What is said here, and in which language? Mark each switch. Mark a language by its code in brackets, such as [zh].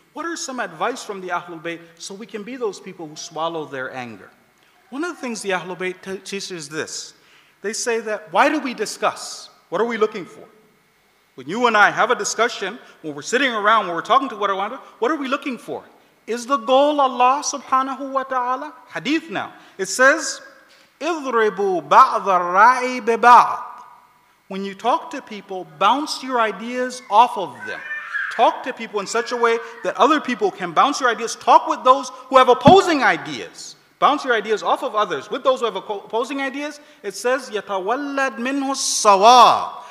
[en] What are some advice from the Ahlul Bayt so we can be those people who swallow their anger? One of the things the Ahlul Bayt teaches is this. They say that, why do we discuss? What are we looking for? When you and I have a discussion, when we're sitting around, when we're talking to one another, what are we looking for? Is the goal Allah subhanahu wa ta'ala? Hadith now. It says, [ar] اضربوا بعض الرأي ببعض. [en] When you talk to people, bounce your ideas off of them. Talk to people in such a way that other people can bounce your ideas. Talk with those who have opposing ideas. Bounce your ideas off of others. With those who have opposing ideas, it says, [ar] يتولد منه الصواب.